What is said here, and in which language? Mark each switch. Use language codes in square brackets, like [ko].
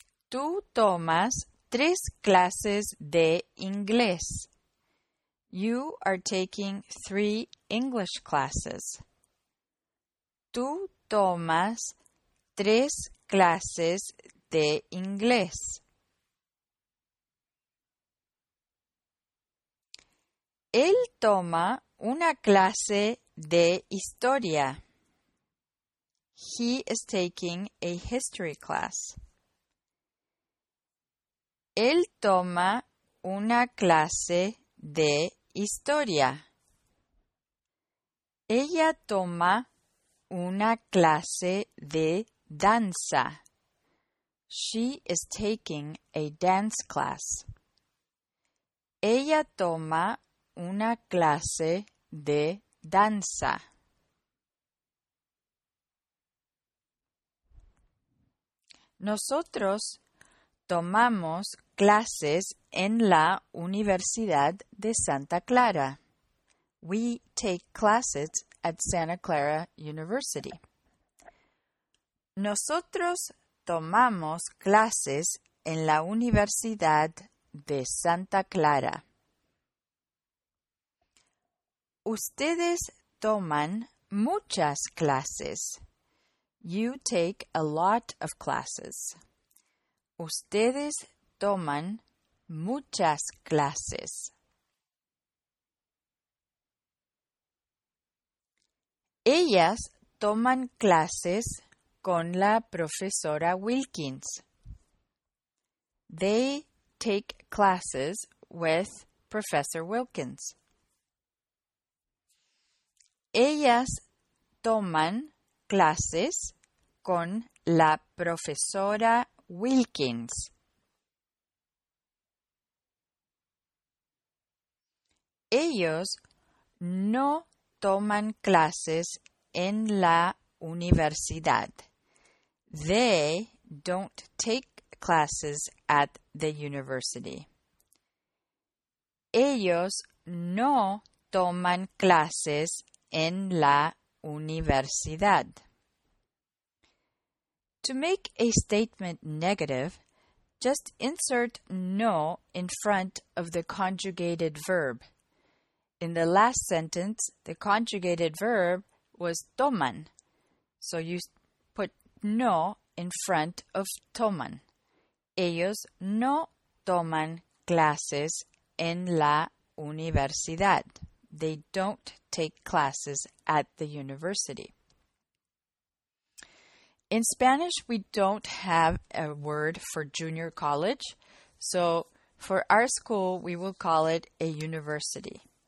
[es] Tú tomas tres clases de inglés. [en] You are taking three English classes. [es] Tú tomas tres clases de inglés. Él toma una clase de historia. [en] He is taking a history class. [es] Él toma una clase de historia. Ella toma una clase de danza. [en] She is taking a dance class. [es] Ella toma una clase de danza. Nosotros tomamos clases en la Universidad de Santa Clara. [en] We take classes at Santa Clara University. [es] Nosotros tomamos clases en la Universidad de Santa Clara. Ustedes toman muchas clases. [en] You take a lot of classes. [es] Ustedes toman muchas clases. Ellas toman clases con la profesora Wilkins. [en] They take classes with Professor Wilkins. [es] Ellas toman clases con la profesora Wilkins. Ellos no toman clases en la universidad. [en] They don't take classes at the university. [es] Ellos no toman clases en la universidad. [en] To make a statement negative, just insert no in front of the conjugated verb. In the last sentence, the conjugated verb was toman. So you put no in front of toman. [es] Ellos no toman clases en la universidad. [en] They don't take classes at the university. In Spanish, we don't have a word for junior college. So for our school, we will call it a university.